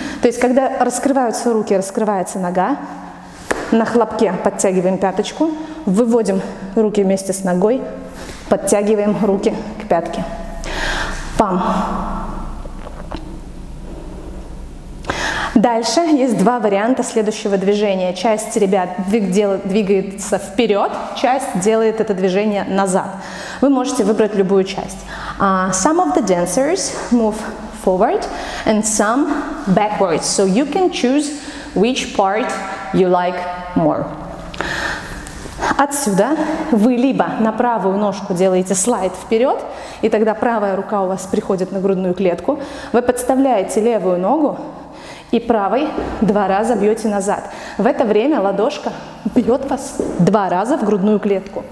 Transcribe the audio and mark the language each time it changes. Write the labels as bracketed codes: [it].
[ru] То есть, когда раскрываются руки, раскрывается нога, на хлопке подтягиваем пяточку, выводим руки вместе с ногой, подтягиваем руки к пятке. Пам. Дальше есть два варианта следующего движения. Часть ребят двигается вперед, часть делает это движение назад. Вы можете выбрать любую часть. [en] Some of the dancers move forward and some backwards. So you can choose which part you like more. [ru] Отсюда вы либо на правую ножку делаете слайд вперед, и тогда правая рука у вас приходит на грудную клетку. Вы подставляете левую ногу и правой два раза бьете назад. В это время ладошка бьет вас два раза в грудную клетку.